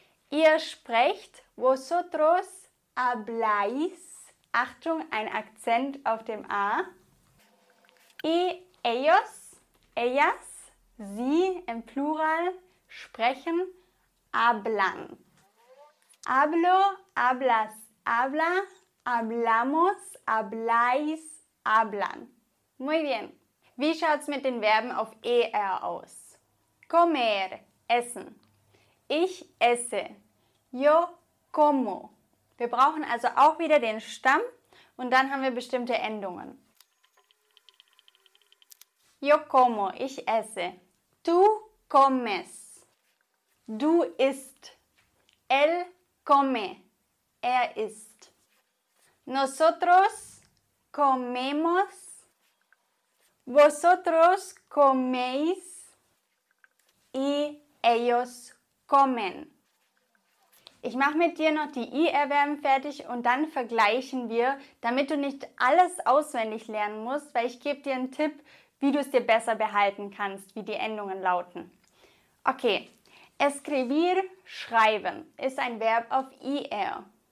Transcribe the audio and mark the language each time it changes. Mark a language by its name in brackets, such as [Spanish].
[German] Ihr sprecht, [Spanish] vosotros habláis. [German] Achtung, ein Akzent auf dem A. [Spanish] Y ellos, ellas. [German] Sie im Plural sprechen, [Spanish] hablan. Hablo, hablas, habla, hablamos, habláis, hablan. Muy bien. [German] Wie schaut's mit den Verben auf ER aus? [Spanish] Comer, [German] essen. Ich esse. [Spanish] Yo como. [German] Wir brauchen also auch wieder den Stamm und dann haben wir bestimmte Endungen. [Spanish] Yo como, [German] ich esse. [Spanish] Tú comes. [German] Du isst. [Spanish] Él come. [German] Er isst. [Spanish] Nosotros comemos. Vosotros coméis y ellos comen. [German] Ich mache mit dir noch die I-Erwerben fertig und dann vergleichen wir, damit du nicht alles auswendig lernen musst, weil ich gebe dir einen Tipp, wie du es dir besser behalten kannst, wie die Endungen lauten. Okay, escribir, schreiben, ist ein Verb auf IR.